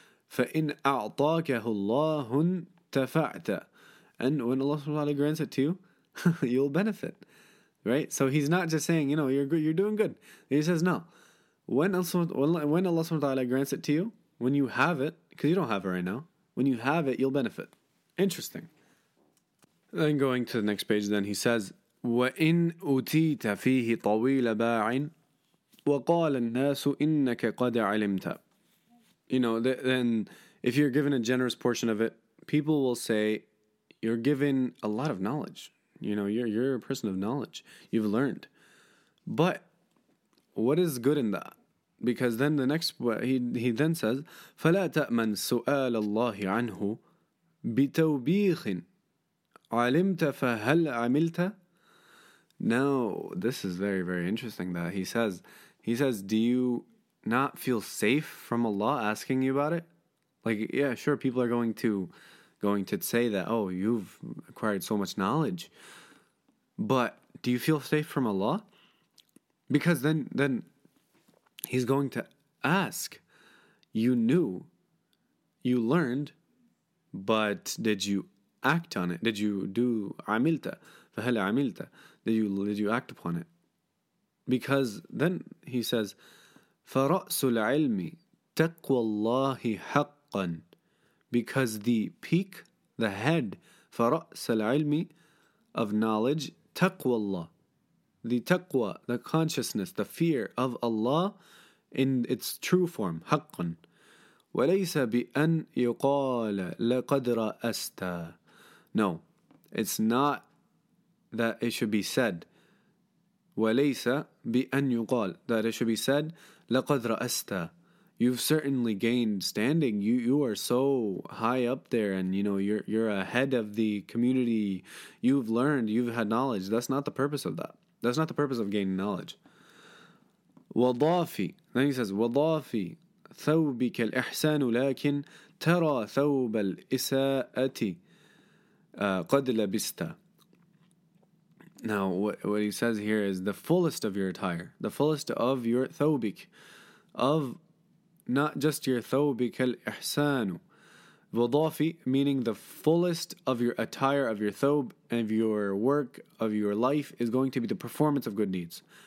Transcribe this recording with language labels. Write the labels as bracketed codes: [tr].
[ar] فَإِنْ أَعْطَاكَهُ اللَّهٌ تَفَعْتَ. [en] And when Allah subhanahu wa ta'ala grants it to you, you'll benefit. Right? So he's not just saying, you know, you're doing good. He says, no. When Allah subhanahu wa ta'ala grants it to you, when you have it, because you don't have it right now, when you have it, you'll benefit. Interesting. Then going to the next page, then he says, [ar] وَإِنْ أُتِيتَ فِيهِ طَوِيلَ بَاعٍ وَقَالَ النَّاسُ إِنَّكَ قَدْ عَلِمْتَ. [en] You know, then if you're given a generous portion of it, people will say, you're given a lot of knowledge. You know, you're a person of knowledge. You've learned. But what is good in that? Because then the next, he then says, [ar] فَلَا تَأْمَنْ سُؤَالَ اللَّهِ عَنْهُ بِتَوْبِيخٍ علمت فهل عملت. [en] Now this is very, very interesting that he says, do you not feel safe from Allah asking you about it? Like, yeah, sure, people are going to say that, oh, you've acquired so much knowledge, but do you feel safe from Allah? Because then he's going to ask, you knew, you learned, but did you act on it? Did you do amilta? [ar] فهل عملت? [en] Did you act upon it? Because then he says, [ar] فرأس العلم تقوى الله حقا. [en] Because the peak, the head, [ar] فرأس العلم [en] of knowledge, [ar] تقوى الله. [en] The taqwa, the consciousness, the fear of Allah in its true form, حقا. [ar] وليس بأن يقال لقد رأست. [en] No, it's not that it should be said. [ar] وليس بأن يقال, [en] that it should be said, [ar] لقد رأست. [en] You've certainly gained standing. You are so high up there, and you know you're ahead of the community. You've learned, you've had knowledge. That's not the purpose of that. That's not the purpose of gaining knowledge. [ar] وضافي. [en] Then he says, [ar] وضافي ثوبك الإحسان لكن ترى ثوب الإساءة قد لبست. [en] Now, what he says here is the fullest of your attire, the fullest of your ثوبك, of not just your [ar] ثوبك الإحسان. [en] وضافي, meaning the fullest of your attire, of your ثوب, and of your work, of your life, is going to be the performance of good deeds.